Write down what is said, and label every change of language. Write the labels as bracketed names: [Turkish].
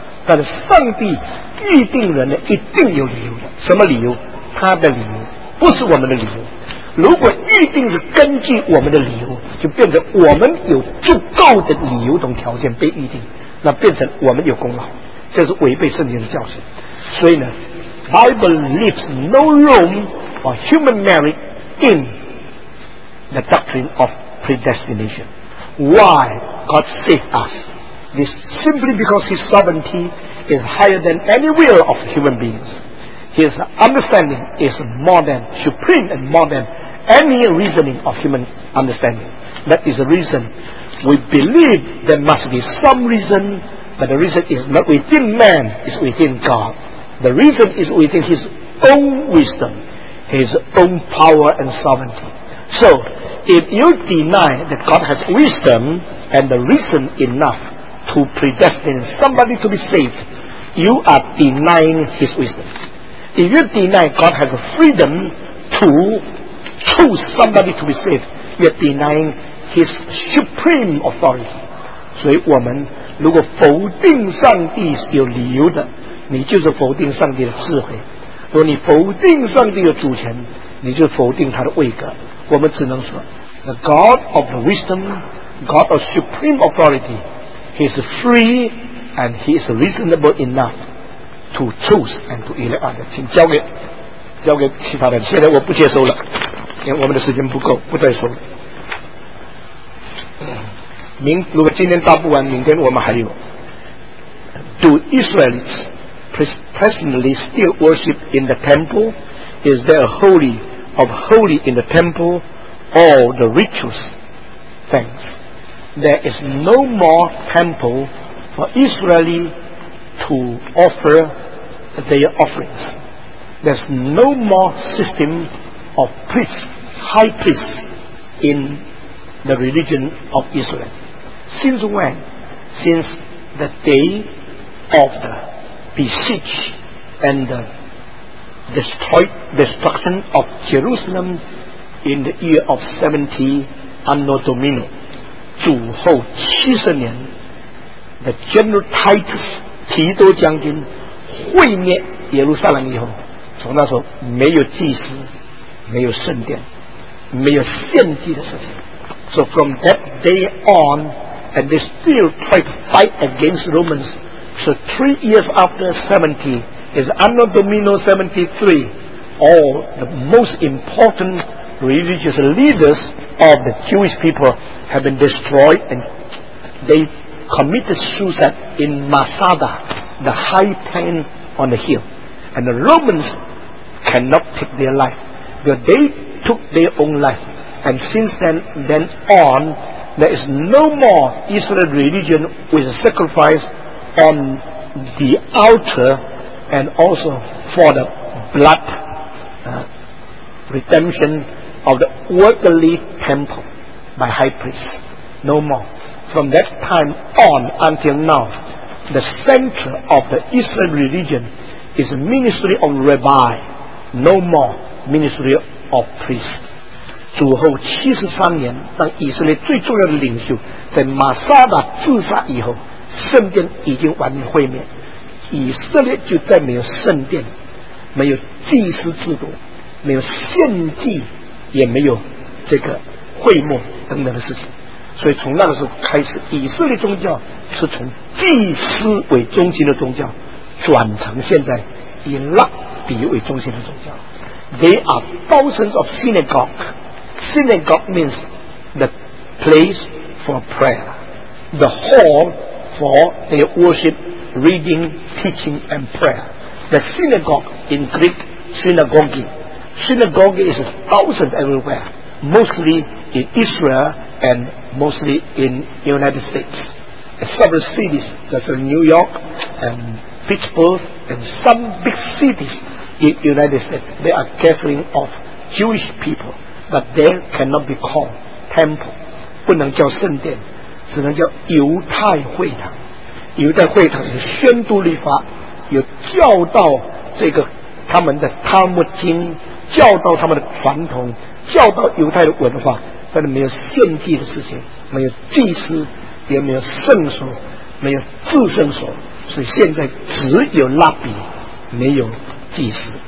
[Chinese] 但是上帝预定人的一定有理由的，什么理由？他的理由，不是我们的理由。如果预定是根据我们的理由，就变成我们有足够的理由等条件被预定，那变成我们有功劳，这是违背圣经的教训。所以呢 [English] Bible leaves no room for human merit in the doctrine of predestination. Why God saved us? It's simply because His sovereignty is higher than any will of human beings. His understanding is more than supreme and more than any reasoning of human understanding. That is the reason we believe there must be some reason, but the reason is not within man, it's within God. The reason is within His own wisdom, His own power and sovereignty. So, if you deny that God has wisdom and the reason enough to predestine somebody to be saved, you are denying His wisdom. If you deny God has a freedom to choose somebody to be saved, you're denying His supreme authority. [Chinese] 所以我们如果否定上帝是有理由的，你就是否定上帝的智慧；如果你否定上帝的主权，你就否定他的位格。我们只能说 [English] The God of wisdom, God of supreme authority, He is free and He is reasonable enough to choose and to elect others. [Chinese] 请交给其他人，现在我不接收了，因为我们的时间不够，不再收了。如果今天答不完，明天我们还有。 [English] Do Israelites presently still worship in the temple? Is there a holy of holy in the temple? All the rituals? Thanks. There is no more temple for Israeli to offer their offerings. There's no more system of priests, high priests in the religion of Israel. Since when? Since the day of the besiege and the destruction of Jerusalem in the year of 70 Anno Domino. [Chinese] 主后七十年 [English] the General Titus, [Chinese] 提多将军毁灭耶路撒冷以后，从那时候没有祭司，没有圣殿，没有献祭的事情。 [English] So from that day on, and they still try to fight against Romans. So 3 years after 70, is Anno Domino 73, all the most important religious leaders of the Jewish people have been destroyed, and they committed suicide in Masada, the high plain on the hill. And the Romans cannot take their life, but they took their own life. And since then on, there is no more Israel religion with a sacrifice on the altar and also for the blood redemption of the worldly temple by high priests. No more. From that time on until now, the center of the Israel religion is the ministry of rabbi. No more ministry of priests. [Chinese] 主后73年，当以色列最重要的领袖在马萨达自杀以后，圣殿已经完全毁灭，以色列就再没有圣殿，没有祭司制度，没有献祭，也没有这个会幕等等的事情。所以从那个时候开始，以色列宗教是从祭司为中心的宗教，转成现在以拉比为中心的宗教。 [English] They are thousands of synagogue. Synagogue means the place for prayer, the hall for their worship, reading, teaching, and prayer. The synagogue in Greek, synagogue. Synagogue is a thousand everywhere, mostly in Israel and mostly in the United States. Several cities, such as New York and Pittsburgh, and some big cities. In the United States, they are gathering of Jewish people, but they cannot be called temple, [Chinese] 不能叫圣殿，只能叫犹太会堂。犹太会堂有宣读律法，有教导这个他们的塔木经，教导他们的传统，教导犹太的文化，但是没有献祭的事情，没有祭司，也没有圣所，没有至圣所，所以现在只有拉比，没有祭司。